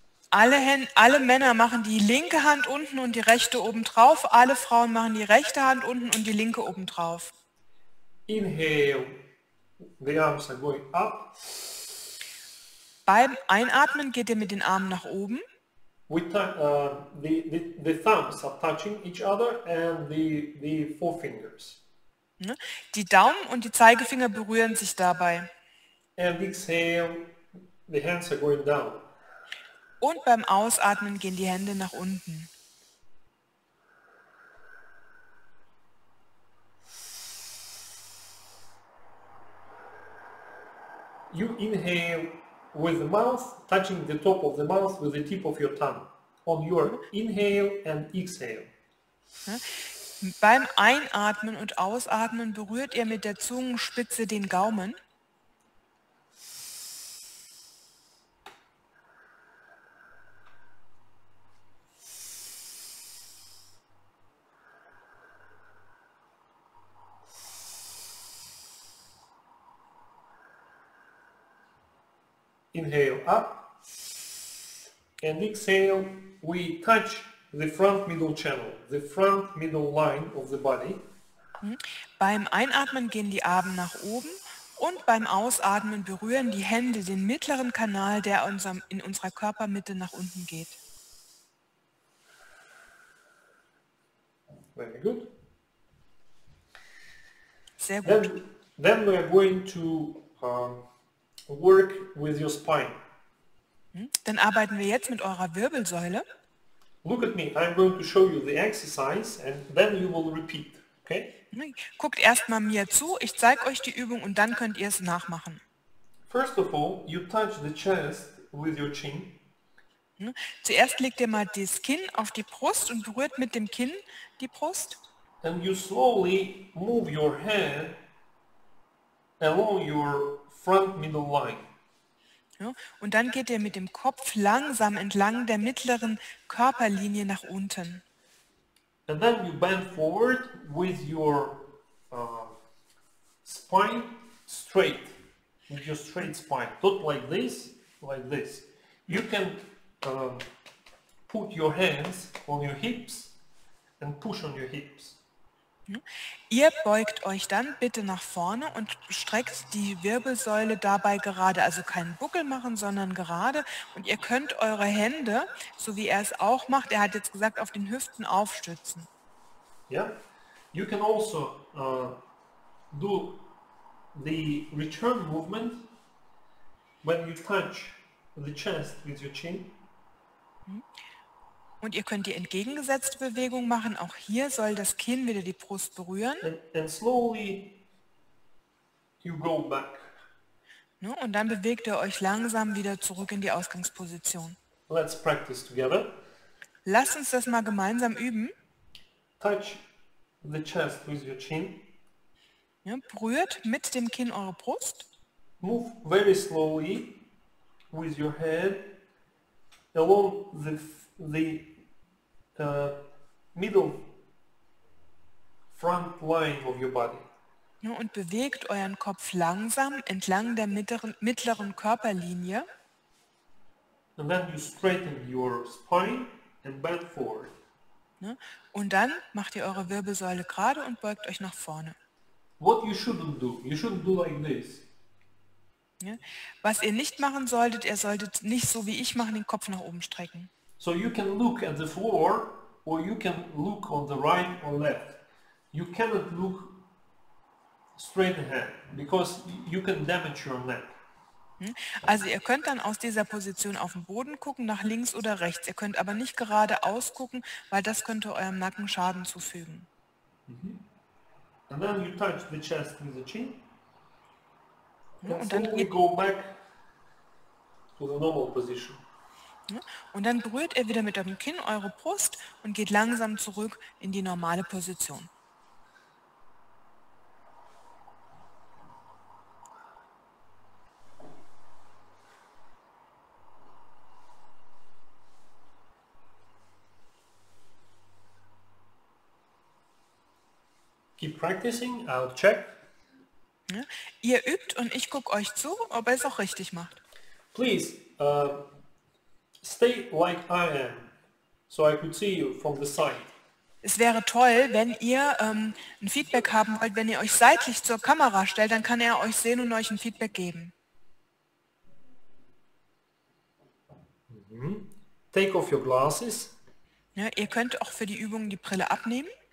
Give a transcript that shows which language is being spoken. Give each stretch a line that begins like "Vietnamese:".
German: Alle Männer machen die linke Hand unten und die rechte oben drauf. Alle Frauen machen die rechte Hand unten und die linke oben drauf.
English: Inhale. The arms are going up.
German: Beim Einatmen geht ihr mit den Armen nach oben.
English: The thumbs are touching each other and the forefingers.
German: Die Daumen und die Zeigefinger berühren sich dabei.
English: And exhale, the hands are going down.
German: Und beim Ausatmen gehen die Hände nach unten.
English: You inhale with the mouth, touching the top of the mouth with the tip of your tongue. On your inhale and exhale.
German: Beim Einatmen und Ausatmen berührt ihr mit der Zungenspitze den Gaumen.
English: Inhale up and exhale, we touch the front middle channel, the front middle line of the body.
German: Beim Einatmen gehen die Arme nach oben und beim Ausatmen berühren die Hände den mittleren Kanal, der in unserer Körpermitte nach unten geht.
English: Very good.
German: Sehr gut.
English: Then we are going to work with your spine.
German: Dann arbeiten wir jetzt mit eurer Wirbelsäule.
English: Look at me. I'm going to show you the exercise and then you will repeat. Okay?
German: Guckt erstmal mir zu. Ich zeige euch die Übung und dann könnt ihr es nachmachen.
English: First of all, you touch the chest with your chin.
German: Zuerst legt ihr mal das Kinn auf die Brust und berührt mit dem Kinn die Brust.
English: And you slowly move your head along your front middle line.
German: Und dann geht ihr mit dem Kopf langsam entlang der mittleren Körperlinie nach unten.
English: And then you bend forward with your spine straight, with your straight spine, not like this, like this. You can put your hands on your hips and push on your hips.
German: Ihr beugt euch dann bitte nach vorne und streckt die Wirbelsäule dabei gerade, also keinen Buckel machen, sondern gerade. Und ihr könnt eure Hände, so wie er es auch macht, er hat jetzt gesagt, auf den Hüften aufstützen.
English: Yeah, you can also do the return movement when you touch the chest with your chin.
German: Und ihr könnt die entgegengesetzte Bewegung machen. Auch hier soll das Kinn wieder die Brust berühren.
English: And slowly you go back.
German: Und dann bewegt ihr euch langsam wieder zurück in die Ausgangsposition.
English: Let's practice together.
German: Lasst uns das mal gemeinsam üben.
English: Touch the chest with your chin.
German: Berührt mit dem Kinn eure Brust.
English: Move very slowly with your head along the middle front line of your body.
German: Und bewegt euren Kopf langsam entlang der mittleren Körperlinie.
English: And then you straighten your spine and bend forward.
German: Ne? Und dann macht ihr eure Wirbelsäule gerade und beugt euch nach vorne.
English: What you shouldn't do? You shouldn't do like this.
German: Ja? Was ihr nicht machen solltet, ihr solltet nicht so wie ich machen, den Kopf nach oben strecken.
English: So you can look at the floor or you can look on the right or left. You cannot look straight ahead because you can damage your neck.
German: Also ihr könnt dann aus dieser Position auf den Boden gucken, nach links oder rechts. Ihr könnt aber nicht gerade ausgucken, weil das könnte eurem Nacken Schaden zufügen.
English: And then you touch the chest with the chin.
German: Und dann
English: you go back to the normal position.
German: Und dann berührt ihr wieder mit eurem Kinn eure Brust und geht langsam zurück in die normale Position.
English: Keep practicing, I'll check.
German: Ja, ihr übt und ich gucke euch zu, ob ihr es auch richtig macht.
English: Please, stay like I am, so I could see you from the side.
German: Es wäre toll, wenn ihr ein Feedback haben wollt, wenn ihr euch seitlich zur Kamera stellt, dann kann er euch sehen und euch ein Feedback geben.
English: Mm-hmm. Take off your glasses.
German: Ja, ihr könnt auch für die Übung die Brille abnehmen.